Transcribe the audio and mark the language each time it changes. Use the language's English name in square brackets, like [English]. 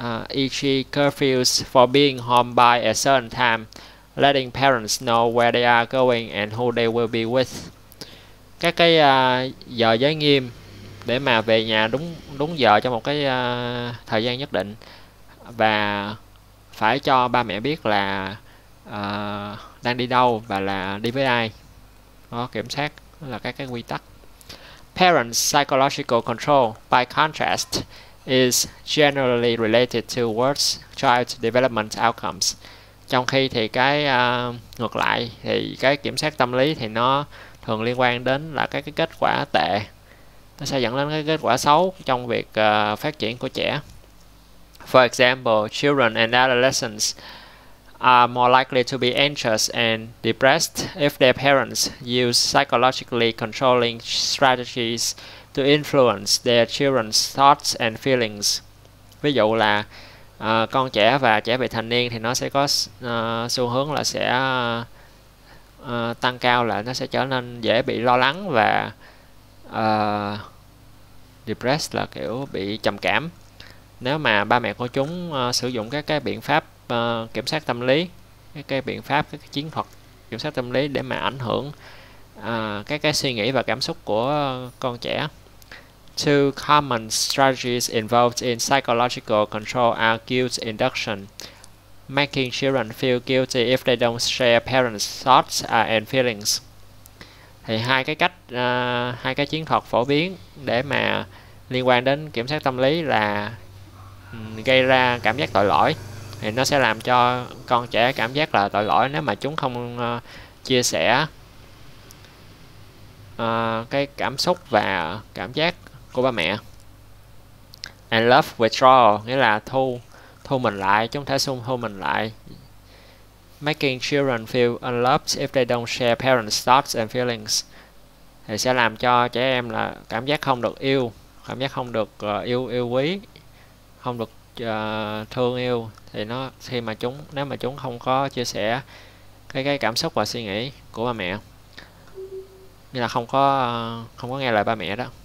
[English] E.g. curfews for being home by a certain time, letting parents know where they are going and who they will be with. [Vietnamese] Các cái giờ giới nghiêm để mà về nhà đúng đúng giờ trong một cái thời gian nhất định và phải cho ba mẹ biết là đang đi đâu và là đi với ai. Đó, kiểm soát là các cái quy tắc. [English] Parents' psychological control, by contrast, is generally related to worse child development outcomes. [Vietnamese] Trong khi thì cái ngược lại thì cái kiểm soát tâm lý thì nó thường liên quan đến là các cái kết quả tệ. Nó sẽ dẫn đến cái kết quả xấu trong việc phát triển của trẻ. [English] For example, children and adolescents are more likely to be anxious and depressed if their parents use psychologically controlling strategies to influence their children's thoughts and feelings. [Vietnamese] Ví dụ là con trẻ và trẻ vị thành niên thì nó sẽ có xu hướng là sẽ tăng cao, là nó sẽ trở nên dễ bị lo lắng và depressed là kiểu bị trầm cảm nếu mà ba mẹ của chúng sử dụng các cái biện pháp kiểm soát tâm lý, các cái biện pháp, các cái chiến thuật kiểm soát tâm lý để mà ảnh hưởng các cái suy nghĩ và cảm xúc của con trẻ. [English] Two common strategies involved in psychological control are guilt induction, making children feel guilty if they don't share parents' thoughts and feelings. [Vietnamese] Thì hai cái chiến thuật phổ biến để mà liên quan đến kiểm soát tâm lý là gây ra cảm giác tội lỗi, thì nó sẽ làm cho con trẻ cảm giác là tội lỗi nếu mà chúng không chia sẻ cái cảm xúc và cảm giác của ba mẹ. [English] And love withdrawal [Vietnamese] nghĩa là thu thu mình lại, chúng ta thu mình lại. [English] Making children feel unloved if they don't share parents' thoughts and feelings. [Vietnamese] Thì sẽ làm cho trẻ em là cảm giác không được yêu, cảm giác không được yêu yêu quý, không được thương yêu, thì nó khi mà chúng nếu mà chúng không có chia sẻ cái cảm xúc và suy nghĩ của ba mẹ, như là không có nghe lời ba mẹ đó.